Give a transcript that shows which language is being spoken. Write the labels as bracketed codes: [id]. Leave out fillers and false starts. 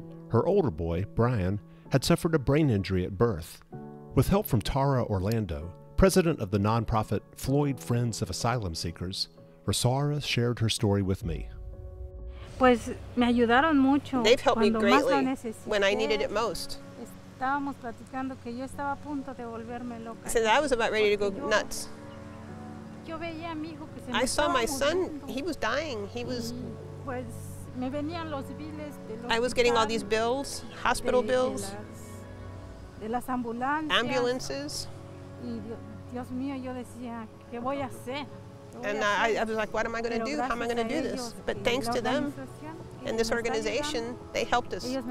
[en] Her older boy, Brian, had suffered a brain injury at birth. With help from Tara Orlando, president of the nonprofit Floyd Friends of Asylum Seekers, Rosara shared her story with me. [es] Pues me ayudaron mucho. [en] They've helped me greatly when I needed it most. [es] Estábamos platicando que yo estaba a punto de volverme loca. [en] Since I was about ready to go nuts. [es] Yo veía a mi hijo que se me [en] I saw my son, he was dying. He was. [es] Pues me venían los biles de los [en] I was getting all these bills, hospital bills, [es] de las ambulancias, [en] ambulances. [es] Y Dios mío, yo decía, ¿qué voy a hacer? [en] And I was like, what am I going to do? How am I going to do this? But thanks to them and this organization, they helped us.